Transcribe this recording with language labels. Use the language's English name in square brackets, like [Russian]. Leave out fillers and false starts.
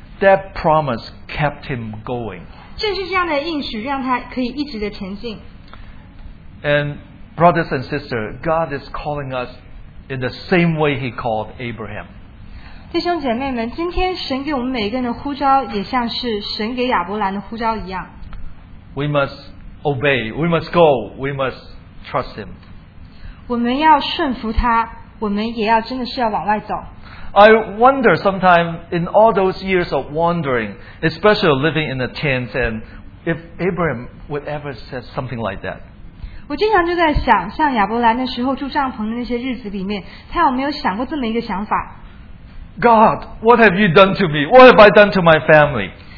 [English] That promise kept him going. [Chinese] 正是这样的应许让他可以一直的前进。 [English] And brothers and sisters, God is calling us in the same way He called Abraham. [Chinese] 弟兄姐妹们，今天神给我们每一个人的呼召，也像是神给亚伯兰的呼召一样。 [English] We must obey. We must go. We must trust Him. [Chinese] 我们要顺服他，我们也要真的是要往外走。 [English] I wonder sometimes in all those years of wandering, especially living in a tent, and if Abraham would ever say something like that. [Chinese] 我经常就在想，像亚伯兰那时候住帐篷的那些日子里面，他有没有想过这么一个想法？ [English] God, what have you done to me? What have I done to my family?